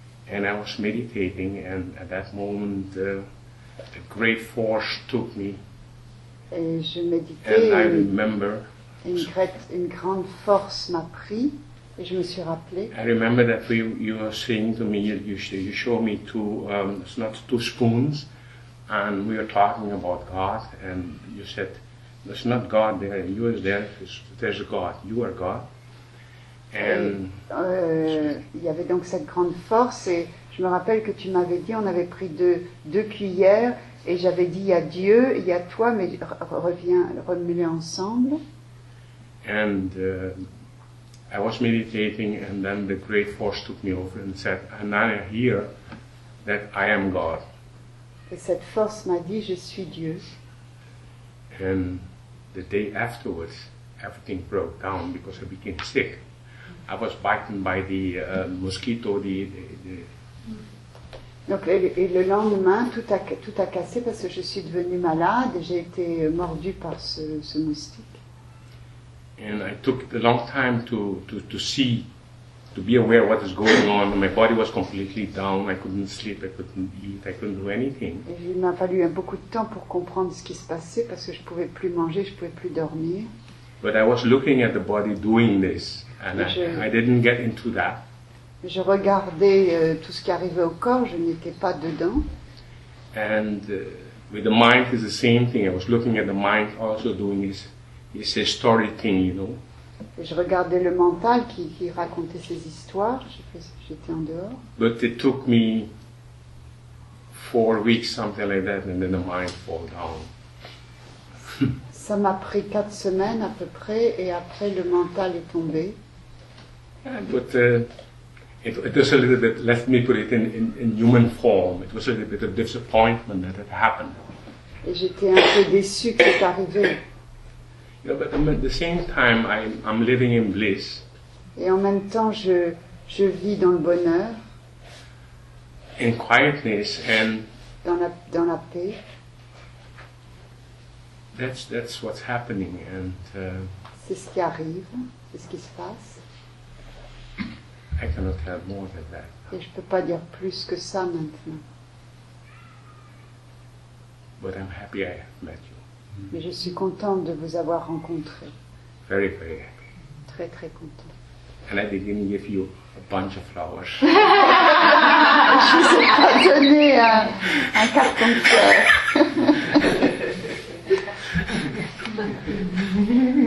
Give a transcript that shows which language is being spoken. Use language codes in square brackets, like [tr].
[en] And I was meditating, and at that moment, a great force took me. [fr] Et je méditais, une grande force m'a pris, et je me suis rappelé. [en] I remember that you were saying to me, you showed me two spoons, and we were talking about God, and you said, there's not God there, you are there, there's God, you are God. And [fr] il y avait donc cette grande force, et je me rappelle que tu m'avais dit, on avait pris deux cuillères, et j'avais dit à Dieu, il y a toi, mais reviens, remuez ensemble. [en] And I was meditating, and then the great force took me over and said, and I hear that I am God. [fr] Et cette force m'a dit, je suis Dieu. [en] And the day afterwards, everything broke down because I became sick. I was bitten by the mosquito, [fr] Donc, et le lendemain, tout a cassé parce que je suis devenue malade et j'ai été mordue par ce moustique. [en] And I took a long time to see, to be aware of what is going on. My body was completely down. I couldn't sleep. I couldn't eat. I couldn't do anything. [fr] Et il m'a fallu beaucoup de temps pour comprendre ce qui se passait parce que je pouvais plus manger, je pouvais plus dormir. [en] But I was looking at the body doing this, and I didn't get into that. [fr] Je regardais tout ce qui arrivait au corps, je n'étais pas dedans. [en] And with the mind is the same thing. I was looking at the mind also doing his story thing, you know. [fr] Et je regardais le mental qui racontait ses histoires. J'étais en dehors. [en] But it took me 4 weeks, something like that, and then the mind fell down. [fr] Ça m'a pris 4 semaines à peu près, et après le mental est tombé. [en] Yeah, but It was a little bit, let me put it in human form. It was a little bit of disappointment that it happened. [fr] Et j'étais un peu déçu que c'est arrivé. [en] You know, but at the same time, I'm living in bliss. [fr] Et en même temps, je vis dans le bonheur. [en] In quietness and. [fr] Dans la paix. [en] That's what's happening and. [fr] C'est ce qui arrive. C'est ce qui se passe. [en] I cannot tell more than that. [fr] Et je peux pas dire plus que ça maintenant. [en] But I'm happy I met you. [fr] Mais je suis contente de vous avoir rencontré. [en] Very, very happy. [fr] Très, très contente. [en] And I didn't give you a bunch of flowers. [fr] Je ne vous ai pas donné un carton de fleurs.